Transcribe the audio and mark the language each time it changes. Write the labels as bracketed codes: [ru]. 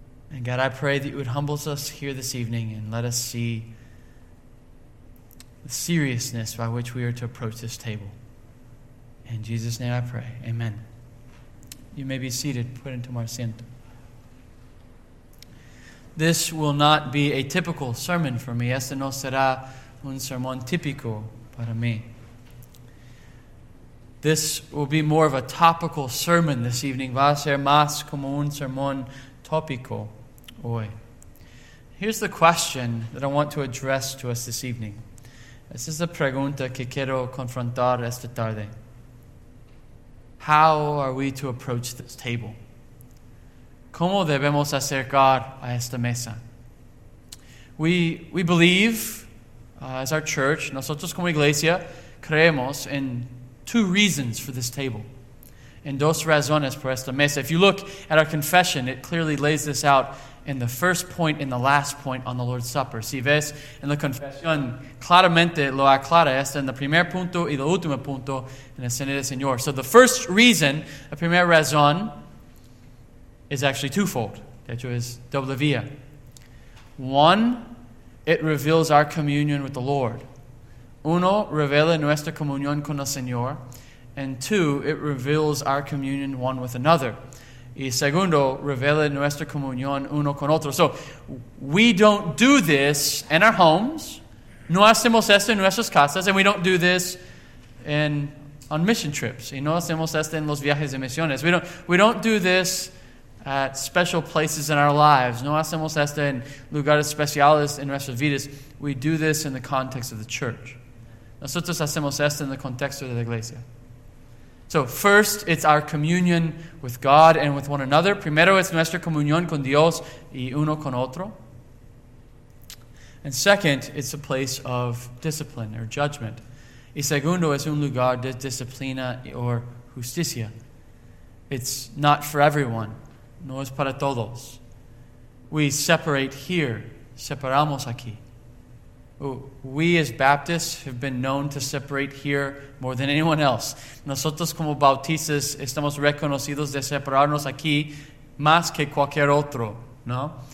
[en] And God, I pray that you would humble us here this evening and let us see the seriousness by which we are to approach this table. In Jesus' name I pray. Amen. You may be seated, put into Marciento. This will not be a typical sermon for me. [es] Este no será un sermón típico para mí. [en] This will be more of a topical sermon this evening. [es] Va a ser más como un sermón tópico hoy. [en] Here's the question that I want to address to us this evening. This is the [es] pregunta que quiero confrontar esta tarde. [en] How are we to approach this table? [es] ¿Cómo debemos acercar a esta mesa? [en] We believe, as our church, [es] nosotros como iglesia, creemos en [en] two reasons for this table. [es] En dos razones por esta mesa. [en] If you look at our confession, it clearly lays this out in the first point and the last point on the Lord's Supper. [es] Si ves en la confesión, claramente lo aclara esta en el primer punto y el último punto en la cena del Señor. [en] So the first reason, [es] la primera razón, [en] is actually twofold. [es] De hecho, es doble vía. [en] One, it reveals our communion with the Lord. [es] Uno, revela nuestra comunión con el Señor. [en] And two, it reveals our communion one with another. [es] Y segundo, revela nuestra comunión uno con otro. [en] So, we don't do this in our homes. [es] No hacemos esto en nuestras casas. [en] And we don't do this on mission trips. [es] Y no hacemos esto en los viajes de misiones. [en] We don't do this at special places in our lives. [es] No hacemos esto en lugares especiales en nuestras vidas. [en] We do this in the context of the church. [es] Nosotros hacemos esto en el contexto de la iglesia. [en] So first, it's our communion with God and with one another. [es] Primero, it's nuestra comunión con Dios y uno con otro. [en] And second, it's a place of discipline or judgment. [es] Y segundo, es un lugar de disciplina or justicia. [en] It's not for everyone. [es] No es para todos. [en] We separate here. [es] Separamos aquí. [en] We as Baptists have been known to separate here more than anyone else. [es] Nosotros como bautistas estamos reconocidos de separarnos aquí más que cualquier otro, ¿no?